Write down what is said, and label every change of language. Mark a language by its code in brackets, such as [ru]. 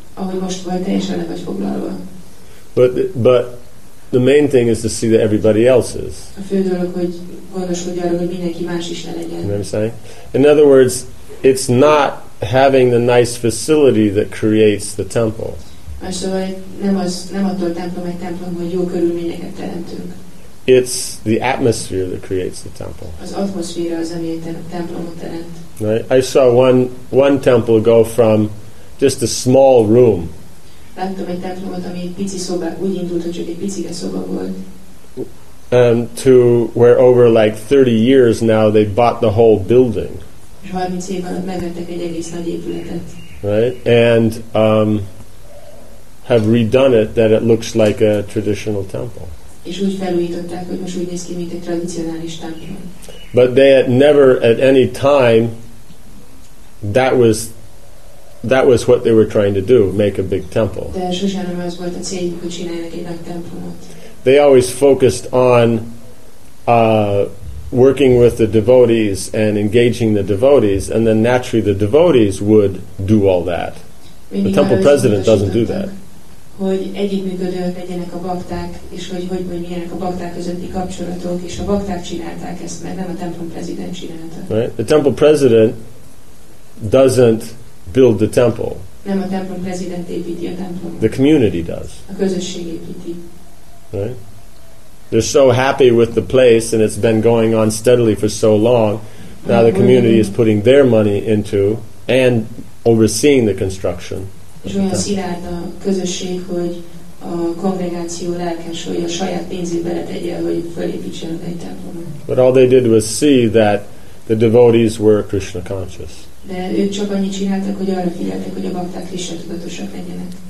[hu] Ahogy most vagy, teljesen le vagy foglalva. [en] But the main thing is to see that everybody else is. [hu] A fő dolog, hogy gondoskodj arra, hogy mindenki más is ne legyen. [en] You know what I'm saying? In other words, it's not having the nice facility that creates the temple. [hu] Más szóval nem attól templom egy templom, hogy jó körülményeket teremtünk. [en] It's the atmosphere that creates the temple. [hu] Az atmoszféra az, ami a templomot teremt. [en] Right? I saw one temple go from just a small room. [hu] Láttam egy templomot, ami egy pici szoba, úgy indult, hogy csak egy picike szoba volt. [en] To where over like 30 years now they bought the whole building. [hu] És 30 év alatt megvettek egy egész nagy épületet. [en] Right? And have redone it that it looks like a traditional temple. [hu] És úgy felújították, hogy most úgy néz ki, mint egy tradicionális templom. [en] But they had never at any time that was what they were trying to do, make a big temple. [hu] De sosem az volt a céljuk, hogy csináljanak egy nagy templomot. [en] They always focused on working with the devotees and engaging the devotees, and then naturally the devotees would do all that. [hu] Mindig [en] the temple president doesn't do that. [hu] Hogy együttműködőek legyenek a bakták, és hogy milyenek a bakták közötti kapcsolatok, és a bakták csinálták ezt meg, nem a templom prezident csinálta. [en] Right? The temple president doesn't build the temple. [hu] Nem a templom prezident építi a templomot. [en] The community does. [hu] A közösség építi. [en] Right? They're so happy with the place, and it's been going on steadily for so long, now the community is putting their money into and overseeing the construction. [hu] És olyan szilárd a közösség, hogy a kongregáció lelkes, hogy a saját pénzét beletegye, hogy felépítsen egy templomot. [en] But all they did was see that the devotees were Krishna conscious. [hu] De ők csak annyit csináltak, hogy arra figyeltek, hogy a bakták Krishna tudatosak legyenek.